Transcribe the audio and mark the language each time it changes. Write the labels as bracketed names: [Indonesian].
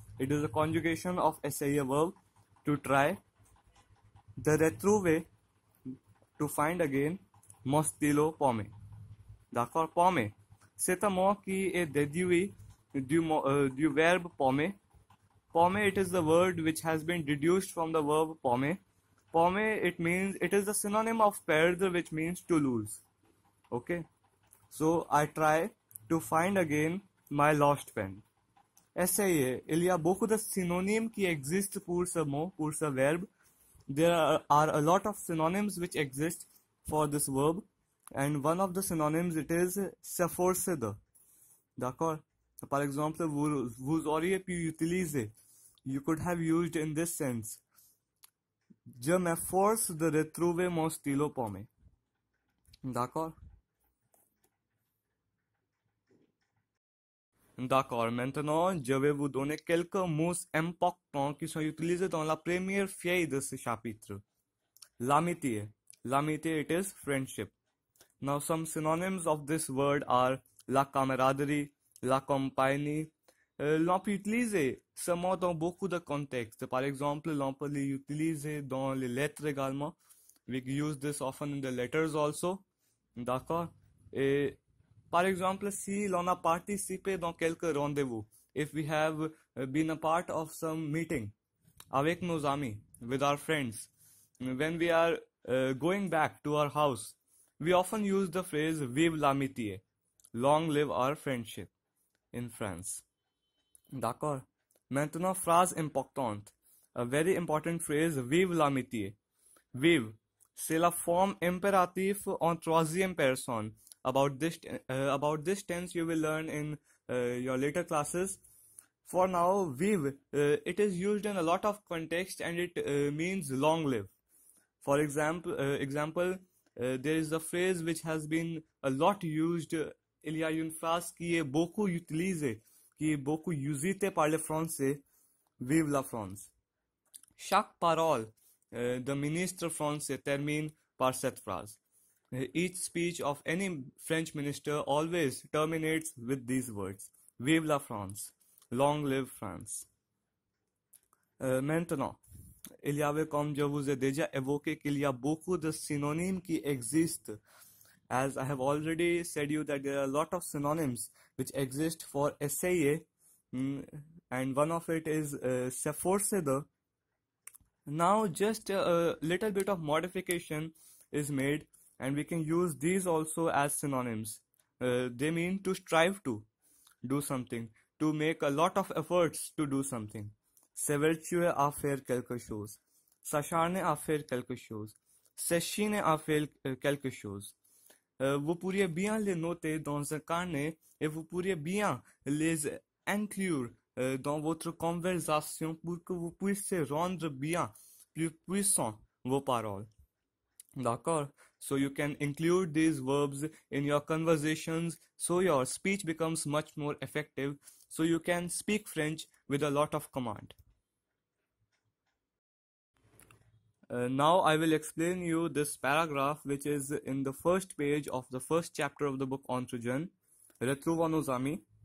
[English] It is a conjugation of essayer verb, to try. [French] De retrouver, [English] to find again, [French] mon stylo paumé. D'accord, paumé. C'est un mot qui est déduit du verbe paumé. [English] Paumé, it is the word which has been deduced from the verb paumé. Paumé, it means, it is the synonym of perdre, which means to lose. Okay, so I try to find again my lost pen. Essayer. [French] Il y a beaucoup de synonymes qui existent pour ce mot, pour ce verbe. [English] There are a lot of synonyms which exist for this verb. And one of the synonyms, it is s'efforcer de. [French] D'accord? Par exemple, vous auriez pu utiliser. [English] You could have used in this sense. [French] Je m'efforce de retrouver mon stylo paumé. D'accord? D'accord, maintenant je vais vous donner quelques mots importants qui sont utilisés dans la première feuille de ce chapitre. L'amitié. [English] L'amitié, it is friendship. Now, some synonyms of this word are [French] la camaraderie, la compagnie. L'on peut utiliser ce mot dans beaucoup de contextes. Par exemple, l'on peut l'utiliser dans les lettres également. [English] We use this often in the letters also. [French] D'accord. Et par exemple, si l'on a participé dans quelques rendez-vous, [English] if we have been a part of some meeting [French] avec nos amis, [English] with our friends, when we are going back to our house, we often use the phrase [French] vive l'amitié, [English] long live our friendship in France. [French] D'accord? Maintenant, phrase importante, [English] a very important phrase, [French] vive l'amitié. Vive, c'est la forme impérative en troisième personne. [English] About this tense you will learn in your later classes. For now, vive, it is used in a lot of contexts and it means long live. For example, there is a phrase which has been a lot used. [French] Il y a une phrase qui est beaucoup utilisée, qui est beaucoup usée par les Français. Vive la France. Chaque parole, the ministre français termine par cette phrase. [English] Each speech of any French minister always terminates with these words. [French] Vive la France. [English] Long live France. [French] Maintenant, il y avait comme je vous ai déjà évoqué qu'il y a beaucoup de synonymes qui existent. [English] As I have already said you that there are a lot of synonyms which exist for essayer, And one of it is sforzedo. Now just a little bit of modification is made, and we can use these also as synonyms. They mean to strive to do something, to make a lot of efforts to do something. [French] Sevelchue a faire quelque chose. S'acharner à faire quelque chose. S'échiner à faire quelque chose. Vous pourriez bien les noter dans un carnet et vous pourriez bien les inclure dans votre conversation pour que vous puissiez rendre bien plus puissant vos paroles. D'accord? [English] So you can include these verbs in your conversations so your speech becomes much more effective, so you can speak French with a lot of command. Now I will explain you this paragraph, which is in the first page of the first chapter of the book Entre-jeunes. Retrouvons nos amis.